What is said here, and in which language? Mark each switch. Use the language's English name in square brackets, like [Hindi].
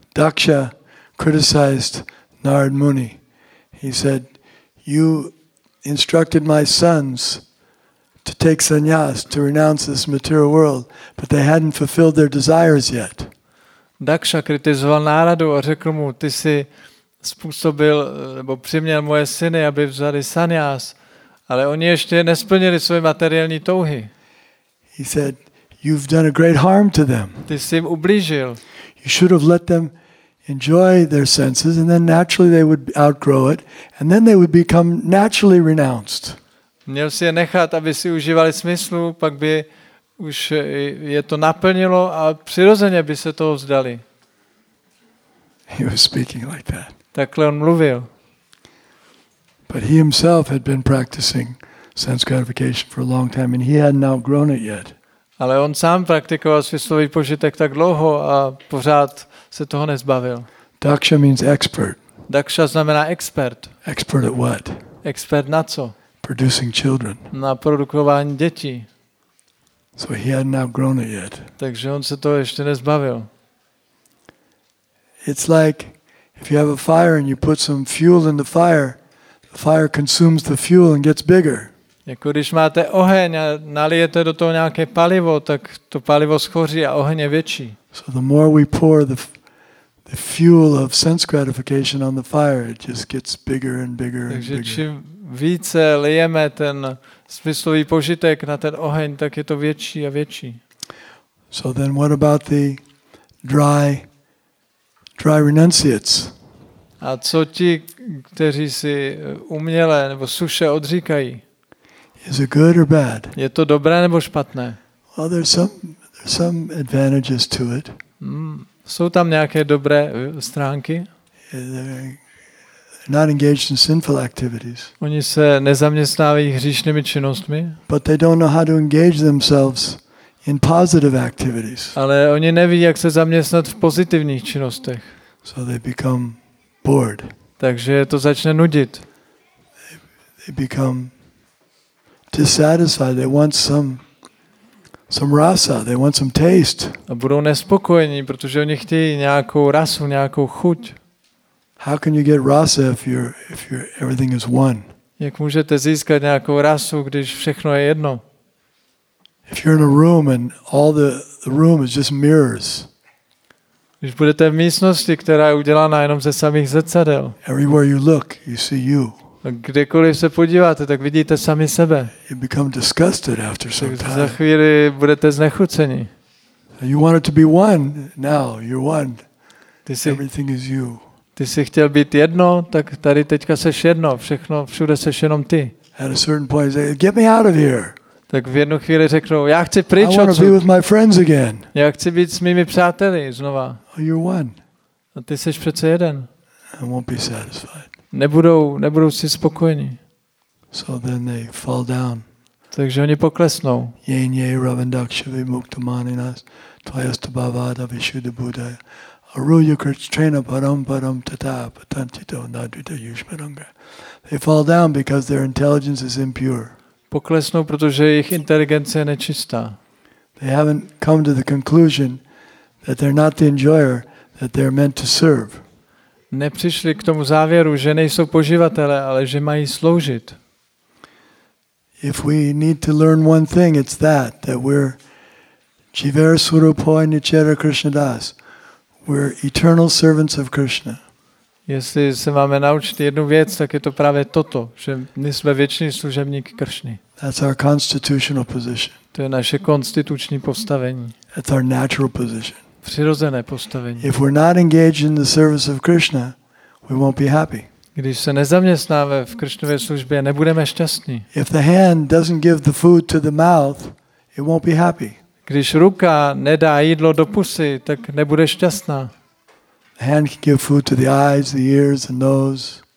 [English] Daksha criticized Narad Muni. He said, "You instructed my sons to take sannyas, to renounce this material world, but they hadn't fulfilled their desires yet." [Czech] Daksha kritizoval Náradu a řekl mu, ty jsi způsobil nebo přiměl moje syny, aby vzali sannyas, ale oni ještě nesplnili své materiální touhy. [English] He said, "You've done a great harm to them. [Czech] Ty jsi jim ublížil. [English] You should have let them enjoy their senses, and then naturally they would outgrow it, and then they would become naturally renounced." [Czech] Měl si je nechat, aby si užívali smyslu, pak by už je to naplnilo a přirozeně by se toho vzdali. [English] He was speaking like that. [Czech] Takhle on mluvil. [English] But he himself had been practicing sense gratification for a long time, and he hadn't outgrown it yet. [Czech] Ale on sám praktikoval smyslový požitek tak dlouho a pořád se toho nezbavil. [English] Daksha means expert. [Czech] Daksha znamená expert. [English] Expert at what? [Czech] Expert na co? [English] Producing children. [Czech] Na produkování dětí. [English] So he hadn't outgrown it yet. [Czech] Takže on se toho ještě nezbavil. [English] It's like if you have a fire and you put some fuel in the fire consumes the fuel and gets bigger. [Czech] Jako když máte oheň a nalijete do toho nějaké palivo, tak to palivo schoří a oheň je větší. [English] So the more we pour the fuel of sense gratification on the fire, it just gets bigger and bigger and bigger. [Czech] Takže čím více lijeme ten smyslový požitek na ten oheň, tak je to větší a větší. [English] So then what about the dry renunciates? [Czech] A co ti, kteří si uměle nebo suše odříkají? [English] Is it good or bad? [Czech] Je to dobré nebo špatné? [English] Well, there's some advantages to it. [Czech] Jsou tam nějaké dobré stránky? [English] They're not engaged in sinful activities. [Czech] Oni se nezaměstnávají hříšnými činnostmi. [English] But they don't know how to engage themselves in positive activities. [Czech] Ale oni neví, jak se zaměstnat v pozitivních činnostech. [English] So they become bored. [Czech] Takže to začne nudit. [English] They become dissatisfied. They want some rasa. They want some taste. [Czech] A budou nespokojení, protože oni chtějí nějakou rasu, nějakou chuť. [English] How can you get rasa if you're everything is one? [Czech] Jak můžete získat nějakou rasu, když všechno je jedno? [English] If you're in a room and all the room is just mirrors. [Czech] Když budete v místnosti, která je udělaná jenom ze samých zrcadel. [English] Everywhere you look, you see you. [Czech] A kdekoliv se podíváte, tak vidíte sami sebe. [English] You become disgusted after some time. [Czech] Za chvíli budete znechuceni. [English] You want it to be one, now you're one. Everything is you. [Czech] Ty jsi chtěl být jedno, tak tady teďka seš jedno, všechno všude seš jenom ty. [English] At a certain point, say, get me out of here. [Czech] Tak v jednu chvíli řeknou, já chci pryč odsud. [English] I want to be with my friends again. [Czech] Já chci být s mými přáteli znova. [English] Oh, you're one. [Czech] A ty seš přece jeden. [English] I won't be satisfied. [Czech] Nebudou si spokojeni. [English] So then they fall down. [Czech] Takže oni poklesnou. [Sanskrit] Yin yay ravandakshavi muktamaninas tvayastubhavada vishuddha buddhaya aruya kritchena param param tata patantito nadvita yushmaranga. [English] They fall down because their intelligence is impure. [Czech] Poklesnou, protože jejich inteligence je nečistá. [English] They haven't come to the conclusion that they're not the enjoyer, that they're meant to serve. [Czech] Nepřišli k tomu závěru, že nejsou poživatelé, ale že mají sloužit. [English] If we need to learn one thing, it's that we're [Bangla] jivar swarupoy nichara krishnadas. [English] We're eternal servants of Krishna. [Czech] Jestli se máme naučit jednu věc, tak je to právě toto, že my jsme věční služebník Kršny. [English] That's our constitutional position. [Czech] To je naše konstituční postavení. [English] That's our natural position. [Czech] Přirozené postavení. [English] If we're not engaged in the service of Krishna, we won't be happy. [Czech] Když se nezaměstnáme v Krishnově službě, nebudeme šťastní. [English] If the hand doesn't give the food to the mouth, it won't be happy. [Czech] Když ruka nedá jídlo do pusy, tak nebude šťastná. [English] The hand can give food to the eyes, the ears, the nose.